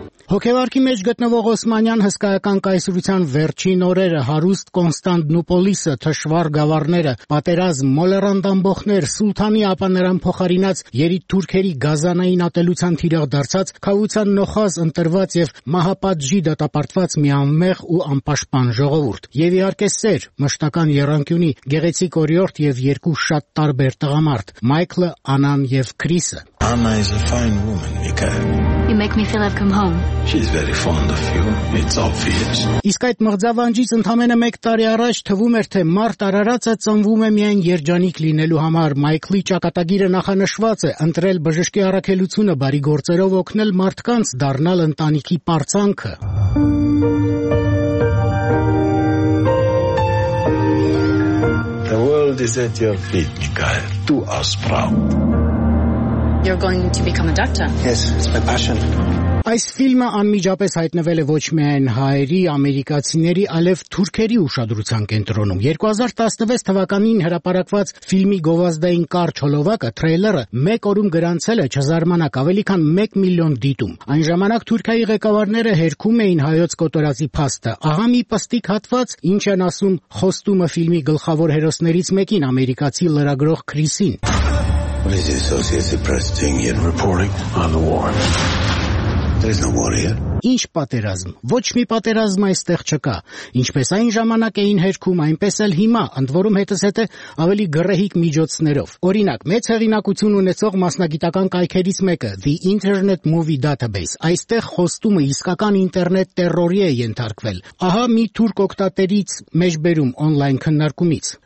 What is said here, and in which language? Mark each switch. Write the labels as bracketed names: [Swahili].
[Armenian] Հոգևարքի մեջ գտնվող Օսմանյան հսկայական կայսրության վերջին օրերը, հարուստ Կոնստանդնուպոլիսը, թշվառ գավառները, պատերազմ, մոլերանդամբոխներ, սուլթանի ապաներան փոխարինած երիտ թուրքերի գազանային ատելության թիրախ դարձած, քաղության նոխազ ընտրված եւ մահապատժի դատապարտված մի անմեղ ու անպաշտպան ժողովուրդ, եւ իհարկե սեր, մշտական եռանկյունի գեղեցիկ օրիորդ եւ երկու շատ տարբեր տղամարդ՝ Մայքլը, Անան եւ Քրիսը։ [English] Anna is a fine woman, Mika. You make me feel I've come home. She's very fond of you. It's obvious. [Armenian] Իսկ այդ մղձավանջից ընդամենը 1 տարի առաջ թվում էր, թե Մարտ Արարածը ծնվում է միայն երջանիկ լինելու համար։ Մայքլի ճակատագիրը նախանշված է ընտրել բժշկի առաքելությունը բարի գործերով օգնել մարդկանց դառնալ ընտանիքի պարծանքը։ [English] The world is at your feet, Mika. Do us proud. You're going to become a doctor. Yes, it's my passion. [Armenian] Այս ֆիլմը անմիջապես հայտնվել է ոչ միայն հայերի, ամերիկացիների, այլև թուրքերի ուշադրության կենտրոնում։ 2016 թվականին հրապարակված ֆիլմի գովազդային կարճ հոլովակը, տրեյլերը, մեկ օրում գրանցել է չզարմանաք ավելի քան 1 միլիոն դիտում։ Այն ժամանակ Թուրքիայի ղեկավարները հերքում էին հայոց կոտորածի փաստը։ Ահա մի պստիկ հատված, ինչ են ասում «Խոստումը» ֆիլմի գլխավոր հերոսներից մեկին, ամերիկացի լրագրող Քրիսին։ [English] What is the Associated Press thing in reporting on the war? There's no war here. [Armenian] Ինչ պատերազմ, ոչ մի պատերազմ այստեղ չկա, ինչպես այն ժամանակ էին հերքում, այնպես էլ հիմա, ընդ որում հետս հետը ավելի գրեհիկ միջոցներով։ Օրինակ, մեծ հեղինակություն ունեցող մասնագիտական կայքերից մեկը, The Internet Movie Database, այստեղ խոստումը իսկական ինտերնետ տերրորի է ենթարկվել։ Ահա մի թուրք օկտատերից մեջբերում օնլայն քննարկումից։